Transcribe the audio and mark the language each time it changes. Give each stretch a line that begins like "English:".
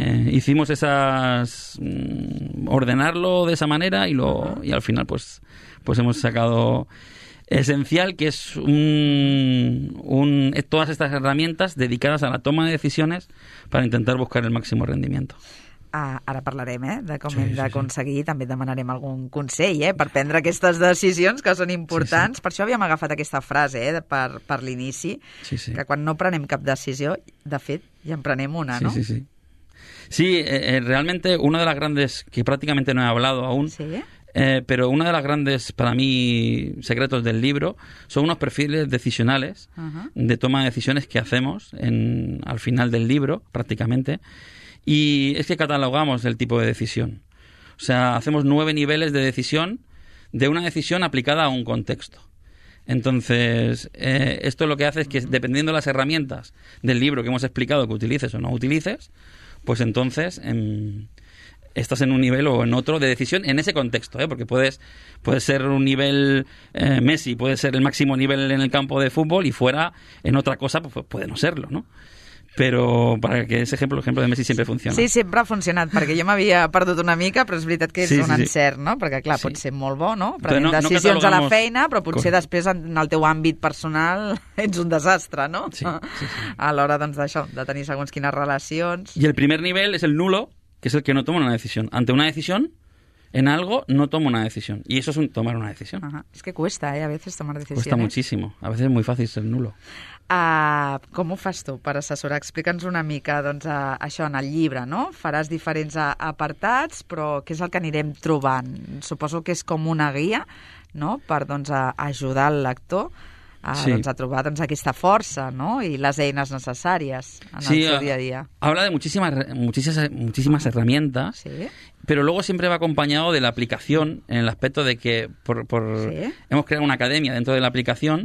Spanish: Hicimos esas... ordenarlo de esa manera y, lo, uh-huh. y al final pues hemos sacado Esencial, que es un todas estas herramientas dedicadas a la toma de decisiones para intentar buscar el máximo rendimiento.
Catalan: Ah, ara parlarem de com hem d'aconseguir. També demanarem algun consell per prendre aquestes decisions que són importants. Per això havíem agafat aquesta frase per l'inici, que quan no prenem cap decisió, de fet, ja en prenem una, no?
Spanish: Sí, realmente una de las grandes, que prácticamente no he hablado aún, pero una de las grandes, para mí, secretos del libro son unos perfiles decisionales de toma de decisiones que hacemos al final del libro, prácticamente, y es que catalogamos el tipo de decisión. O sea, hacemos 9 niveles de decisión de una decisión aplicada a un contexto. Entonces, esto lo que hace es que, dependiendo de las herramientas del libro que hemos explicado que utilices o no utilices, pues entonces estás en un nivel o en otro de decisión en ese contexto, porque puedes ser un nivel Messi, puede ser el máximo nivel en el campo de fútbol, y fuera, en otra cosa, pues puede no serlo, ¿no?
Catalan: Però perquè aquest exemple, l'exemple de Messi sempre funciona. Sí, sempre ha funcionat, perquè jo m'havia perdut una mica, però és veritat que és un encert, no? Perquè, clar, pot ser molt bo, no? Prenent decisions a la feina, però potser després en el teu àmbit personal ets un desastre, no? Sí. A l'hora, doncs, d'això, de tenir segons quines relacions... I el primer nivell és el nulo, que és el que no toma una decisió. Ante una decisió,
Spanish: en algo,
Catalan: no toma una decisió. I això és tomar una decisió. És que
Spanish: cuesta,
Catalan: a vegades, tomar decisions.
Spanish: Cuesta muchísimo.
Catalan: A vegades és molt fàcil ser nulo. Com ho fas tu per assessorar? Explica'ns una mica això en el llibre, no? Faràs diferents apartats, però què és el que anirem trobant? Suposo que és com una guia, no? Per ajudar el lector a trobar aquesta força, no? I les eines necessàries en el seu dia a dia.
Spanish: Habla de muchísimas herramientas, pero luego siempre va acompañado de la aplicación, en el aspecto de que hemos creado una academia dentro de la aplicación.